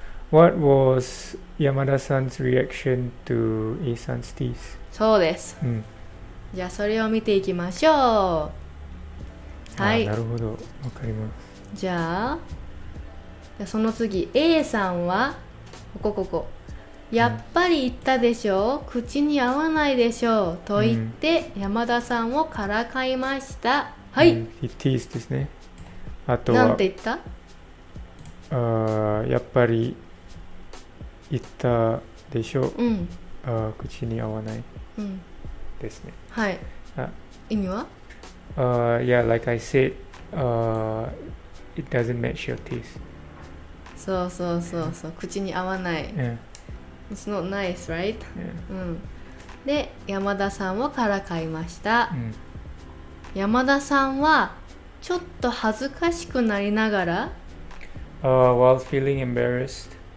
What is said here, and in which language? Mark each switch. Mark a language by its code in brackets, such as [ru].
[en] What was 山田さん's reaction to A さん's teeth? [ja] そうです、うん。じゃあそれを見ていきましょう。はい。なるほど、わかります。じゃあその次、A さんはここここ。やっぱり言ったでしょう、うん、口に合わないでしょうと言って、うん、山田さんをからかいました。はい、うん、teeth ですね。あとはなんて言った？あ、やっぱり言ったでしょう、うん、あ、口に合わないですね、うん、はい。あ、意味は、 [en] あ、yeah, like I said, it doesn't match your teeth. [ja] そうそうそうそう、口に合わない、うん、 [en] It's not nice, right? Yeah. [ja] うん、で、山田さんをからかいました、うん、山田さんはちょっと恥ずかしくなりながら、 [en] while feeling embarrassed、